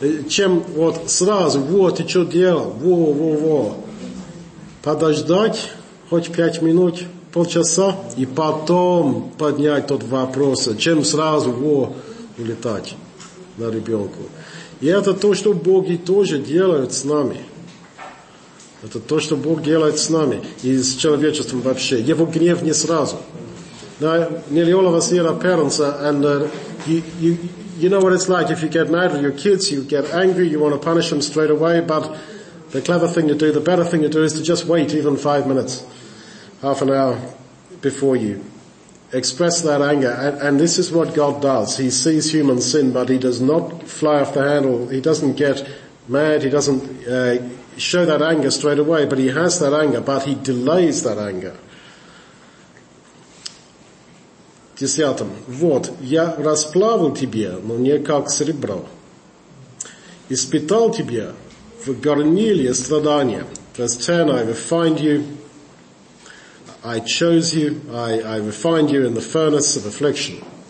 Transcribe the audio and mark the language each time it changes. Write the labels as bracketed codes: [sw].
[ru] Чем вот сразу, вот, ты что делал, во, подождать, хоть 5 минут, полчаса, и потом поднять тот вопрос, чем сразу улетать на ребенку. И это то, что боги тоже делают с нами. Это то, что Бог делает с нами и с человечеством вообще. Его гнев не сразу. [en] Nearly all of us here are parents, and you know what it's like if you get mad at your kids, you get angry, you want to punish them straight away, but the clever thing to do, the better thing to do is to just wait even 5 minutes. Half an hour before you express that anger, and this is what God does. He sees human sin, but he does not fly off the handle. He doesn't get mad. He doesn't show that anger straight away, but he has that anger, but he delays that anger. [ru] Десятым. Вот, я расплавил тебя, но не как серебро. Испытал тебя в горниле страдания. [en] Verse 10, I refined you. I chose you, I refined you in the furnace of affliction.